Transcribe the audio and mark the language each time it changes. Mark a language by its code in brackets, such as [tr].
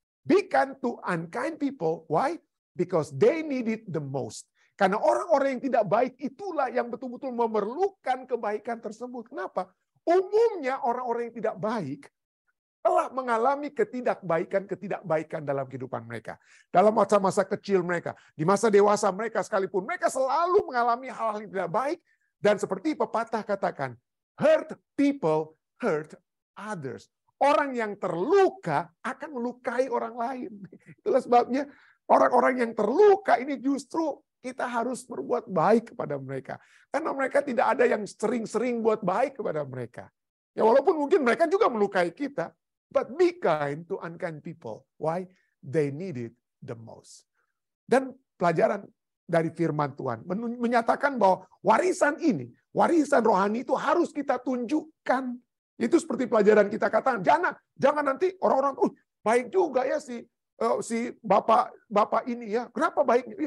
[en] Be kind to unkind people. Why? Because they need it the most. [id] Karena orang-orang yang tidak baik itulah yang betul-betul memerlukan kebaikan tersebut. Kenapa? Umumnya orang-orang yang tidak baik telah mengalami ketidakbaikan dalam kehidupan mereka. Dalam masa-masa kecil mereka, di masa dewasa mereka sekalipun, mereka selalu mengalami hal-hal yang tidak baik. Dan seperti pepatah katakan, [en] hurt people hurt others. [id] Orang yang terluka akan melukai orang lain. Itulah sebabnya orang-orang yang terluka ini justru kita harus berbuat baik kepada mereka. Karena mereka tidak ada yang sering-sering buat baik kepada mereka. Ya walaupun mungkin mereka juga melukai kita. [en] But be kind to unkind people. Why? They need it the most. [id] Dan pelajaran dari firman Tuhan menyatakan bahwa warisan ini, warisan rohani itu harus kita tunjukkan. Itu seperti pelajaran kita katakan, jangan nanti orang-orang, baik juga ya si bapak ini ya. Kenapa baiknya?